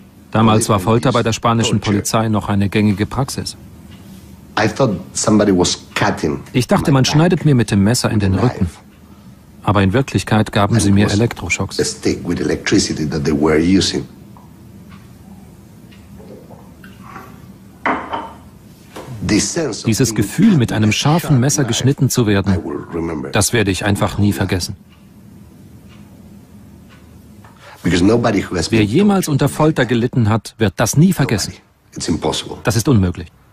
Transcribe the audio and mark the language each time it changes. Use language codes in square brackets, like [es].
[de] Damals war Folter bei der spanischen Polizei noch eine gängige Praxis. Ich dachte, man schneidet mir mit dem Messer in den Rücken. Aber in Wirklichkeit gaben sie mir Elektroschocks. [en] A stick with electricity that they were using. [de] Dieses Gefühl, mit einem scharfen Messer geschnitten zu werden, das werde ich einfach nie vergessen. Wer jemals unter Folter gelitten hat, wird das nie vergessen. Das ist unmöglich.